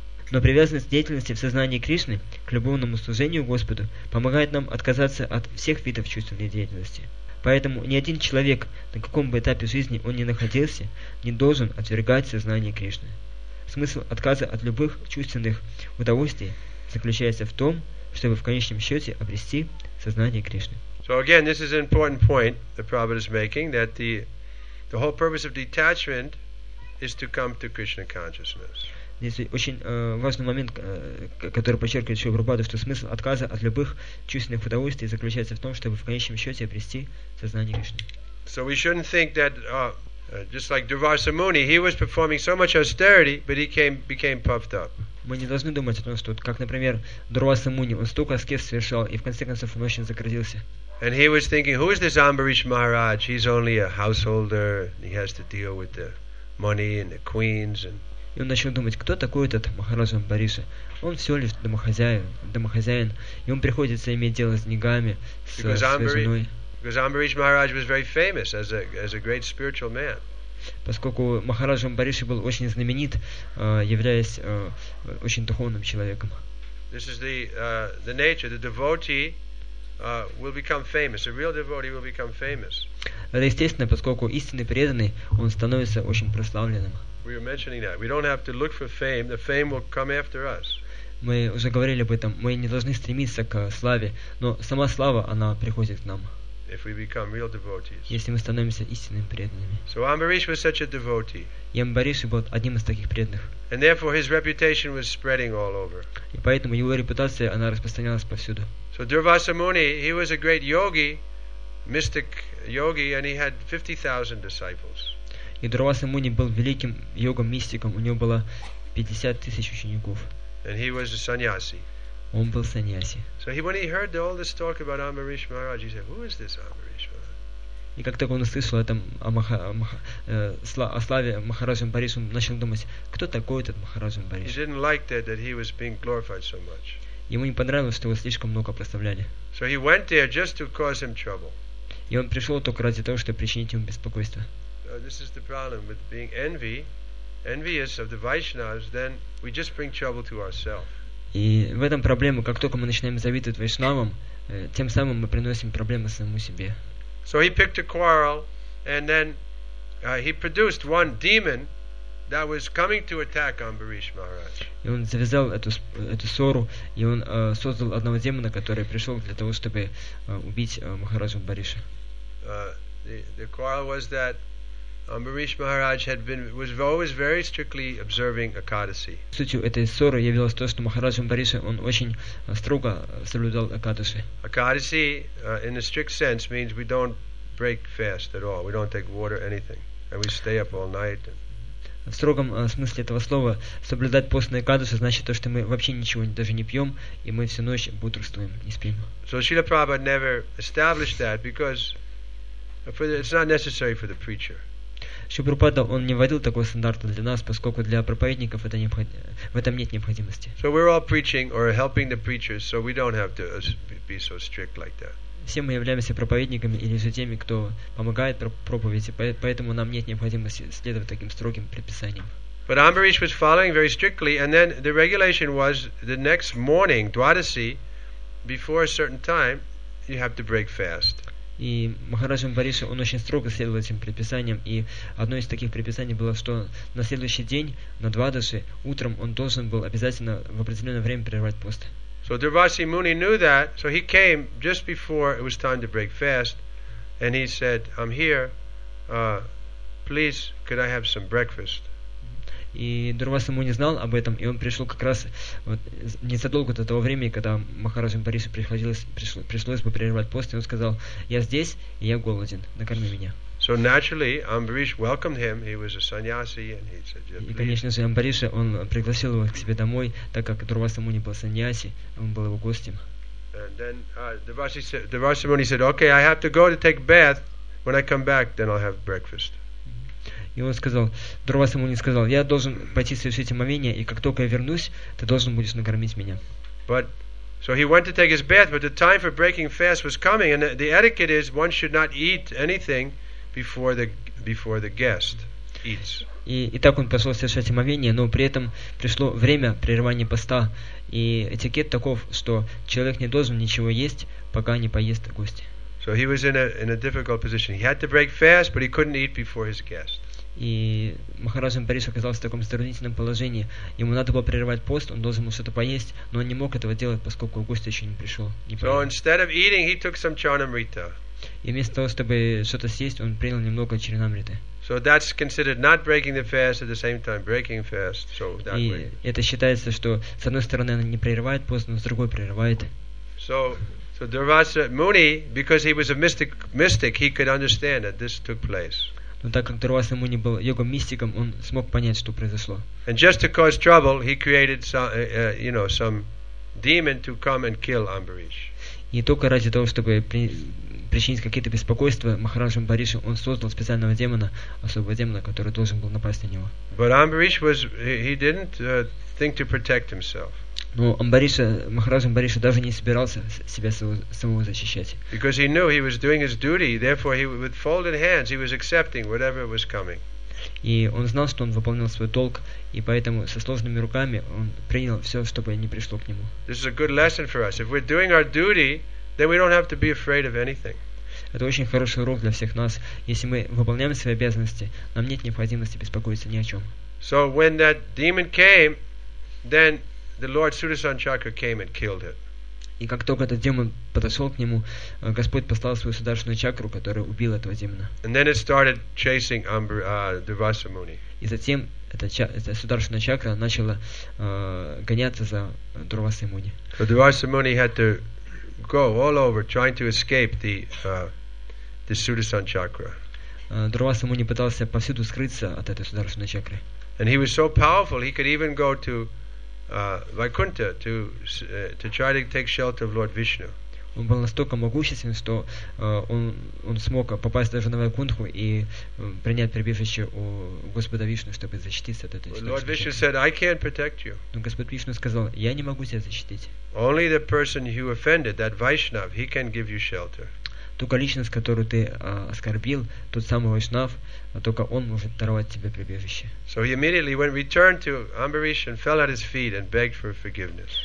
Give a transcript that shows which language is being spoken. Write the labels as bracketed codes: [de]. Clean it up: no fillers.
[ru] Но привязанность деятельности в сознании Кришны к любовному служению Господу помогает нам отказаться от всех видов чувственной деятельности. Поэтому ни один человек, на каком бы этапе жизни он ни находился, не должен отвергать сознание Кришны. Смысл отказа от любых чувственных удовольствий заключается в том, чтобы в конечном счете обрести сознание Кришны. [en] So again, this is an important point the Prabhupada is making, that the whole purpose of detachment is to come to Krishna consciousness. [ru] Здесь очень важный момент, который подчеркивает Шри Прабхупада, что смысл отказа от любых чувственных удовольствий заключается в том, чтобы в конечном счете обрести сознание Кришны. [en] So we shouldn't think that just like Durvasa Muni, he was performing so much austerity, but he became puffed up. [ru] Мы не должны думать о том, что, как, например, Дурваса Муни, он столько аскез совершал, и в конце концов он очень загордился. [en] And he was thinking, who is this Ambarish Maharaj? He's only a householder. He has to deal with the money and the queens. And... [ru] И он начал думать, кто такой этот Махарадж Амбариша? Он всего лишь домохозяин, и ему приходится иметь дело с деньгами, с своей женой. [en] Because Ambarish Maharaj was very famous as a great spiritual man. [ru] Поскольку Махарадж Амбариша был очень знаменит, являясь очень духовным человеком. [en] This is the nature, the devotee. Will become famous. A real devotee will become famous. [ru] Это естественно, поскольку истинный преданный он становится очень прославленным. [en] We were mentioning that. We don't have to look for fame. The fame will come after us. [ru] Мы уже говорили об этом. Мы не должны стремиться к славе, но сама слава она приходит к нам. [en] if we become real devotees. [ru] Если мы становимся истинными преданными. [en] So Ambarish was such a devotee. [ru] И Амбариш был одним из таких преданных. [en] And therefore his reputation was spreading all over. [ru] И поэтому его репутация она распространялась повсюду. [en] So Durvasa Muni, he was a great yogi, mystic yogi, and he had 50,000 disciples. [ru] И Дурваса Муни был великим йогом, мистиком. У него было 50 тысяч учеников. [en] And he was a sannyasi. [ru] Он был саньяси. [en] So he, when he heard all this talk about Ambarish Maharaj, he said, "Who is this Ambarish Maharaj?" [ru] И как только он услышал этом о славе Махараджа Амбариша, он начал думать, кто такой этот Махараджа Амбариш? [en] He didn't like that he was being glorified so much. [ru] Ему не понравилось, что его слишком много прославляли. [en] So he went there just to cause him trouble. [ru] И он пришел только ради того, чтобы причинить ему беспокойство. [en] So this is the problem with being envious of the Vaishnavas. Then we just bring trouble to ourselves. [ru] И в этом проблема, как только мы начинаем завидовать вайшнавам, тем самым мы приносим проблемы самому себе. [en] So he picked a quarrel, and then he produced one demon that was coming to attack Ambarish Maharaj. [ru] И он завязал эту ссору, и он создал одного демона, который пришел для того, чтобы убить Махараджа Амбариша. [en] The quarrel was that Ambarish Maharaj was always very strictly observing Akadasi. [ru] Сутью этой ссоры явилось то, что Махарадж Амбариш он очень строго соблюдал Акадаси. [en] Akadasi, in a strict sense, means we don't break fast at all. We don't take water, anything, and we stay up all night. [ru] В строгом смысле этого слова соблюдать постные Акадаси значит то, что мы вообще ничего даже не пьем и мы всю ночь бодрствуем и спим. [en] So Srila Prabhupada never established that because it's not necessary for the preacher. [ru] Шрила Прабхупада он не вводил такого стандарта для нас, поскольку для проповедников это в этом нет необходимости. [en] So we're all preaching or helping the preachers, so we don't have to be so strict like that. [ru] Все мы являемся проповедниками или же теми, кто помогает проповеди, поэтому нам нет необходимости следовать таким строгим предписаниям. [en] But Ambarish was following very strictly, and then the regulation was the next morning, Dwadasi, before a certain time, you have to break fast. [ru] И Махарадж Амбариш он очень строго следовал этим предписаниям, и одно из таких предписаний было, что на следующий день, на Двадаши, утром он должен был обязательно в определенное время прервать пост. [en] So Durvasa Muni knew that, so he came just before it was time to break fast, and he said, "I'm here, please, could I have some breakfast?" [ru] И Дурваса Муни знал об этом, и он пришел как раз вот, незадолго до того времени, когда Махараджа Амбаришу пришлось бы прерывать пост, и он сказал, я здесь, и я голоден, накорми меня. [en] So naturally, Ambarish welcomed him, he was a sannyasi, and he said, [ru] и, конечно же, Амбариша, он пригласил его к себе домой, так как Дурваса Муни был сannyasi, он был его гостем. [en] And then Дурваса Муни said, okay, I have to go to take bath, when I come back, then I'll have breakfast. [ru] И он сказал, Дурваса Муни сказал, я должен пойти совершить омовение, и как только я вернусь, ты должен будешь накормить меня. [en] But, so he went to take his bath, but the time for breaking fast was coming, and the etiquette is one should not eat anything before the guest eats. [ru] И так он пошел совершать омовение, но при этом пришло время прерывания поста, и этикет таков, что человек не должен ничего есть, пока не поест гость. [en] So he was in a difficult position. He had to break fast, but he couldn't eat before his guest. [ru] И Махараджа Амбариш оказался в таком затруднительном положении. Ему надо было прерывать пост, он должен был что-то поесть, но он не мог этого делать, поскольку гость еще не пришел. [en] So eating, he took some charanamrita. [ru] И вместо того, чтобы что-то съесть, он принял немного чаранамриты. [en] So that's considered not breaking the fast at the same time breaking fast. So that и way. [ru] Это считается, что с одной стороны он не прерывает пост, но с другой прерывает. [en] So Durvasa Muni, because he was a mystic, he could understand that this took place. [ru] Но так как Дурваса Муни был йогом-мистиком, он смог понять, что произошло. [en] And just to cause trouble, he created some demon to come and kill Ambarish. [ru] И только ради того, чтобы причинить какие-то беспокойства Махараджа Амбаришу, он создал специального демона, особого демона, который должен был напасть на него. [en] But Ambarish was, he didn't think to protect himself. [ru] Но Махараджа Амбариша даже не собирался себя самого защищать. [en] Because he knew he was doing his duty, therefore he with folded hands he was accepting whatever was coming. [ru] И он знал, что он выполнял свой долг, и поэтому со сложными руками он принял все, чтобы не пришло к нему. [en] This is a good lesson for us. If we're doing our duty, then we don't have to be afraid of anything. [ru] Это очень хороший урок для всех нас. Если мы выполняем свои обязанности, нам нет необходимости беспокоиться ни о чем. [en] So when that demon came, then the Lord Sudarshan Chakra came and killed it. [ru] И как только этот демон подошел к нему, Господь послал свою сударшную чакру, которая убила этого демона. [en] And then it started chasing Durvasa Muni. [ru] И затем эта сударшная чакра начала гоняться за Дурвасой Муни. [en] So Durvasa Muni had to go all over trying to escape the Sudarshan chakra. [ru] Дурваса Муни пытался повсюду скрыться от этой сударшной чакры. [en] And he was so powerful, he could even go to Vaikuntha to try to take shelter of Lord Vishnu. [ru] Он был настолько могущественен, что он смог попасть даже на Вайкунтху и принять прибежище у Господа Вишну, чтобы защититься от этой сударшной [en] чакры. Lord Vishnu said, I can't protect you. [ru] Но Господь Вишну сказал, я не могу тебя защитить. [en] Only the person who offended, that Vaishnav, he can give you shelter. [ru] Только личность, которую ты оскорбил, тот самый Вайшнав, только он может даровать тебе прибежище. [en] So he immediately went, returned to Ambarish and fell at his feet and begged for forgiveness.